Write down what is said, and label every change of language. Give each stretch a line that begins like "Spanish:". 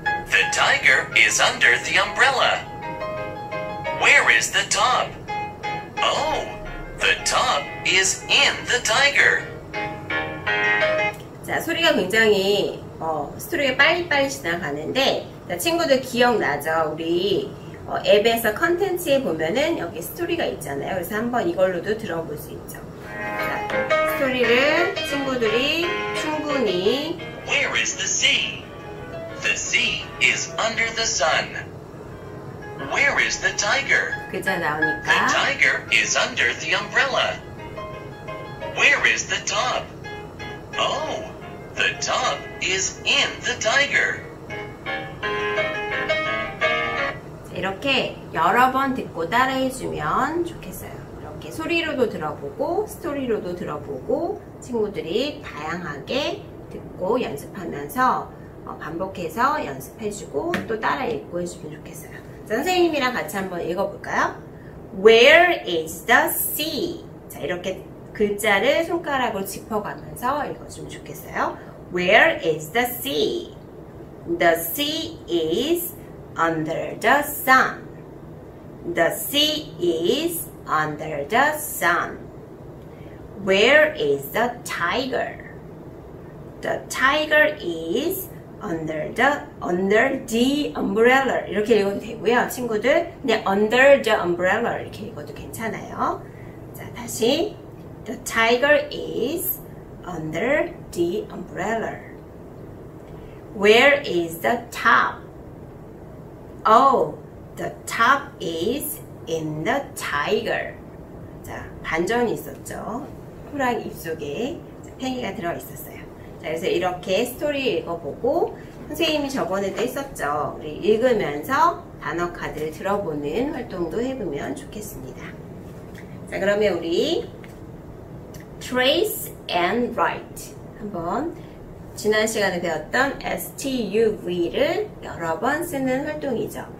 English: The tiger is under the umbrella. Where is the top? Oh, the top is in the tiger.
Korean: 자, 소리가 굉장히 스토리가 빨리빨리 지나가는데 자, 친구들 기억나죠? 우리 앱에서 컨텐츠에 보면은 여기 스토리가 있잖아요. 그래서 한번 이걸로도 들어볼 수 있죠. 자, 스토리를 친구들이 충분히
English: Where is the sea? The sea is under the sun. Where is the tiger?
Korean: 글자 나오니까.
English: The tiger is under the umbrella. Where is the top? Oh, the top is in the tiger.
Korean: 이렇게 여러 번 듣고 따라해주면 좋겠어요. 이렇게 소리로도 들어보고 스토리로도 들어보고 친구들이 다양하게 듣고 연습하면서 반복해서 연습해주고 또 따라 읽고 해주면 좋겠어요. 자, 선생님이랑 같이 한번 읽어볼까요?
English: Where is the sea?
Korean: 자, 이렇게 글자를 손가락으로 짚어가면서 읽어주면 좋겠어요.
English: Where is the sea? The sea is under the sun. The sea is under the sun. Where is the tiger? The tiger is under the umbrella.
Korean: 이렇게 읽어도 되고요, 친구들. 근데
English: under the umbrella
Korean: 이렇게 읽어도 괜찮아요. 자, 다시
English: The tiger is under the umbrella. Where is the top? Oh, the top is in the tiger.
Korean: 자, 반전이 있었죠. 호랑이 입속에 팽이가 들어있었어요. 자, 그래서 이렇게 스토리 읽어보고 선생님이 저번에도 했었죠. 우리 읽으면서 단어 카드를 들어보는 활동도 해보면 좋겠습니다. 자, 그러면 우리
English: trace and write
Korean: 한번 지난 시간에 배웠던 STUV를 여러 번 쓰는 활동이죠.